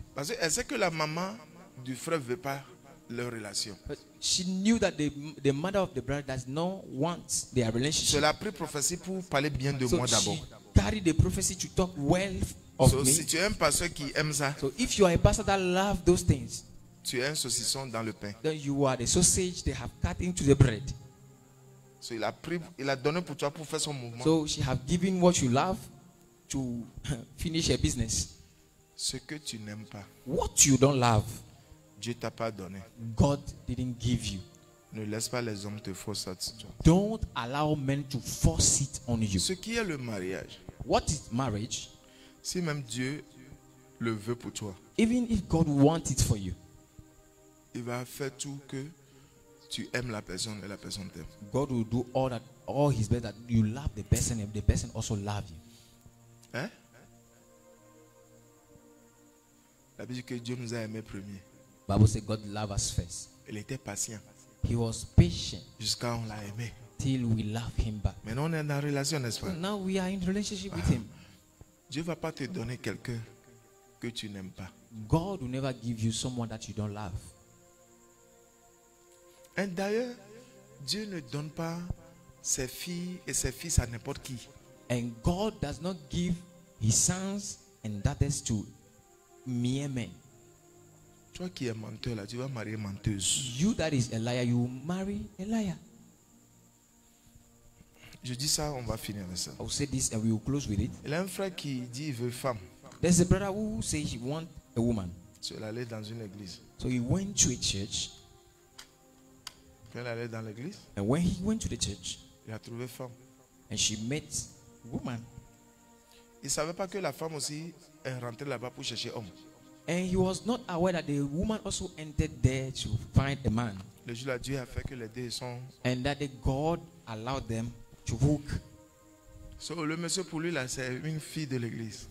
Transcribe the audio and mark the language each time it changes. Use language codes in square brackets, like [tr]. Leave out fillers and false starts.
[fr] Parce qu'elle sait que la maman du frère veut pas leur relation. [en] But she knew that the mother of the brother does not want their relationship. [fr] Elle a pris prophétie pour parler bien de moi d'abord. [en] She carry the prophecy to talk well. [fr] So, si tu es un pasteur qui aime ça, [en] so if you are a pastor that loves those things, [fr] tu es un saucisson dans le pain. [en] Then you are the sausage they have cut into the bread. [fr] So il a pris, il a donné pour toi pour faire son mouvement. [en] So she have given what you love to finish her business. [fr] Ce que tu n'aimes pas, [en] what you don't love, [fr] Dieu t'a pas donné. [en] God didn't give you. [fr] Ne laisse pas les hommes te forcer ça. [en] Don't allow men to force it on you. [fr] Ce qui est le mariage, [en] what is marriage? [fr] Si même Dieu le veut pour toi, [en] even if God wants it for you, [fr] il va faire tout que tu aimes la personne et la personne t'aime. [en] God will do all that, all his best that you love the person and the person also love you. Hein? [fr] La Bible dit que Dieu nous a aimés premier. [en] Bible says God loved us first. [fr] Il était patient. [en] He was patient. [fr] Jusqu'à on l'a aimé. [en] Till we love him back. [fr] Maintenant on est dans la relation, n'est-ce pas? [en] So now we are in relationship with him. [fr] Dieu va pas te donner quelqu'un que tu n'aimes pas. [en] God will never give you someone that you don't love. [fr] Et d'ailleurs, Dieu ne donne pas ses filles et ses fils à n'importe qui. [en] And God does not give his sons and daughters to mere men. [fr] Toi qui es menteur là, tu vas marier menteuse. [en] You that is a liar, you marry a liar. [fr] Je dis ça, on va finir avec ça. [en] I'll say this and we will close with it. [fr] Il y a un frère qui dit qu'il veut femme. [en] There's a brother who says he wants a woman. [fr] So il allait dans une église. [en] So he went to a church. [fr] Quand il allait dans l'église. [en] And when he went to the church, [fr] il a trouvé femme. [en] And she met a woman. [fr] Il savait pas que la femme aussi est rentrée là-bas pour chercher homme. [en] And he was not aware that the woman also entered there to find a man. [fr] Le jour là, Dieu a fait que les deux sont. [en] And that the God allowed them. Hook. [fr] So le monsieur pour lui là c'est une fille de l'église.